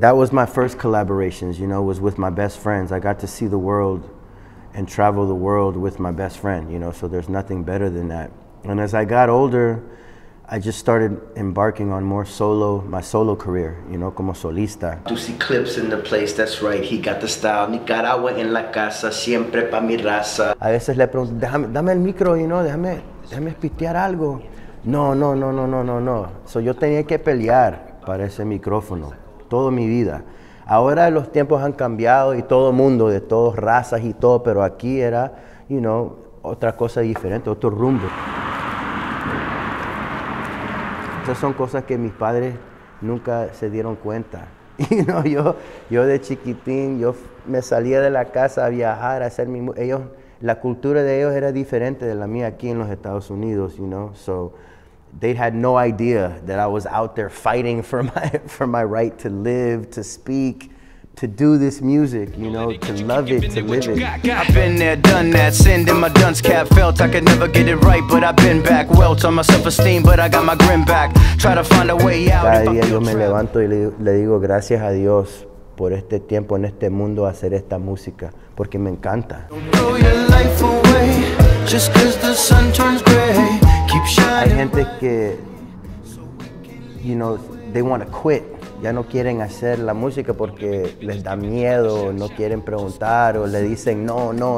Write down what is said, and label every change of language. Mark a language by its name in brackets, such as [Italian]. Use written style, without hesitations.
[English] That was my first collaborations, you know, was with my best friends. I got to see the world and travel the world with my best friend, you know, so there's nothing better than that. And as I got older, I just started embarking on more solo, my solo career, you know, [Spanish] como solista. [English] Deuce Eclipse in the place, that's right, he got the style. [Spanish] Nicaragua en la casa, siempre pa' mi raza. A veces le pregunto, déjame, dame el micro, [English] you know, [Spanish] déjame pitear algo. No. So yo tenía que pelear para ese micrófono, toda mi vida. Ahora los tiempos han cambiado y todo mundo, de todas razas y todo, pero aquí era, [English] you know, [Spanish] otra cosa diferente, otro rumbo. Esas son cosas que mis padres nunca se dieron cuenta. Y no, yo de chiquitín, yo me salía de la casa a viajar, a hacer mi... Ellos, la cultura de ellos era diferente de la mía aquí en los Estados Unidos, [English] you know? So, they had no idea that I was out there fighting for my right to live, to speak, to do this music, you know, to love it, to live it. I've been there, done that, sending my dunce cap felt. I could never get it right, but I've been back. Welt on my self-esteem, but I got my grin back. Try to find a way out. [Spanish] Cada día yo me levanto y le digo gracias a Dios por este tiempo en este mundo hacer esta música, porque me encanta. [English] Throw your life away, just cause the sun turns gray. Keep shining. [Spanish] Hay gente que, [English] you know, they want to quit. [Spanish] Ya no quieren hacer la música porque les da miedo, no quieren preguntar o le dicen no.